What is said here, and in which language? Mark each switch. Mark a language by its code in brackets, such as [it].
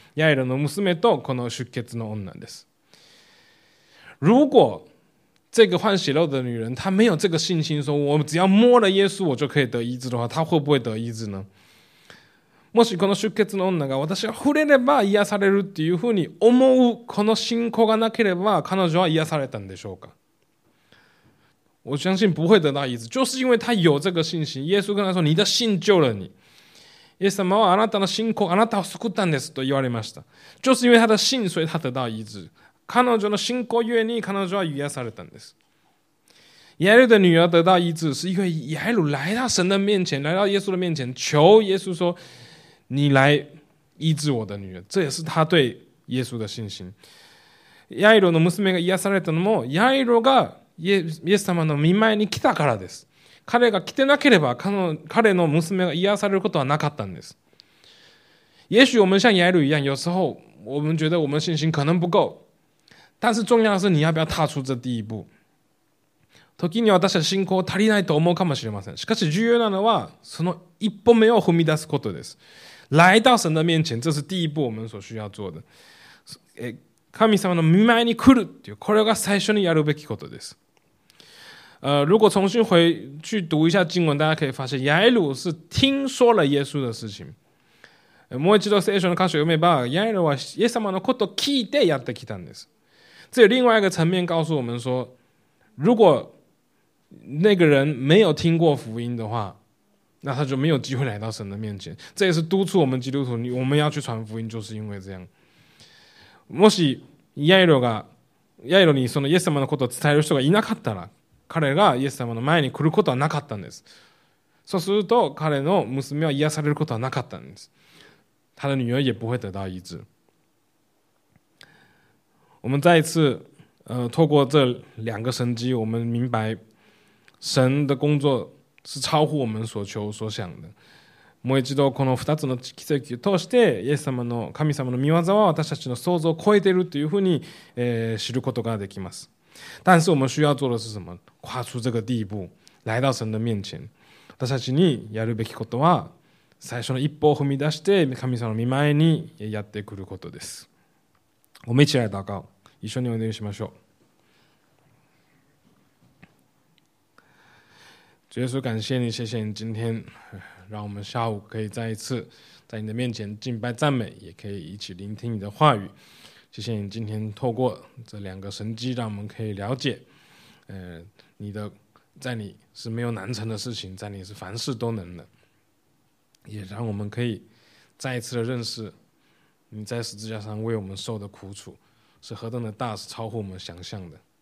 [ja] 雅鲁鲁の娘とこの出血の女です。 [zh] 如果这个换血肉的女人她没有这个信心说我只要摸了耶稣我就可以得医治的话，她会不会得医治呢？ [ja] もしこの出血の女が私は触れれば癒されるっていうふうに思うこの信仰がなければ彼女は癒されたんでしょうか？ [zh] 我相信不会得到医治，就是因为他有这个信心。耶稣跟他说：“你的信救了你。” [ja] イエス様はあなたの信仰、あなたを救ったんですと言われました。 [zh] 就是因为他的信，所以他得到医治。 [ja] 彼女の信仰ゆえに彼女は癒されたんです。 [zh] 耶鲁的女儿得到医治，是因为耶鲁来到神的面前，来到耶稣的面前，求耶稣说：“你来医治我的女儿。” 这也是他对耶稣的信心。 [ja] 耶鲁的娘が癒されたのも、耶鲁がイエス様の御前に来たからです。彼が来てなければ、彼の娘が癒されることはなかったんです。 [zh] 也许我们像耶鲁一样，有时候我们觉得我们信心可能不够，但是重要的是你要不要踏出这第一步。 [ja] 時に私は信仰足りないと思うかもしれません。しかし重要なのはその一歩目を踏み出すことです。 [zh] 来到神的面前、这是第一步我们所需要做的。 [ja] 神様の御前に来るっていう、これが最初にやるべきことです。 [zh] 如果重新回去读一下经文、大家可以发现、ヤエル是听说了耶稣的事情。 [ja] もう一度聖書の箇所を読めば、ヤエルはイエス様のことを聞いてやってきたんです。 [zh] 这有另外一个层面告诉我们说、如果那个人没有听过福音的话，那他就没有机会来到神的面前。这也是督促我们基督徒，我们要去传福音，就是因为这样。 [ja] もしヤイロがヤイロにそのイエス様のことを伝える人がいなかったら、彼がイエス様の前に来ることはなかったんです。そうすると彼の娘は癒されることはなかったんです。 [zh] 他的女儿也不会得到医治。我们再一次，透过这两个神迹，我们明白。神的工作是超乎我们所求所想的。 [ja] もう一度この二つの奇跡を通して、イエス様の神様の御業は私たちの想像を超えているというふうに、知ることができます。 [zh] 但是我们需要做的是什么？跨出这个第一步，来到神的面前。 [ja] 私たちにやるべきことは、最初の一歩を踏み出して神様の御前にやってくることです。 [zh] 我们一起来祷告， [ja] 一緒にお願いしましょう。 [zh] 耶稣，感谢你，谢谢你今天让我们下午可以再一次在你的面前敬拜赞美，也可以一起聆听你的话语。谢谢你今天透过这两个神迹，让我们可以了解，你的在你是没有难成的事情，在你是凡事都能的，也让我们可以再一次的认识你在十字架上为我们受的苦楚是何等的大，是超乎我们想象的。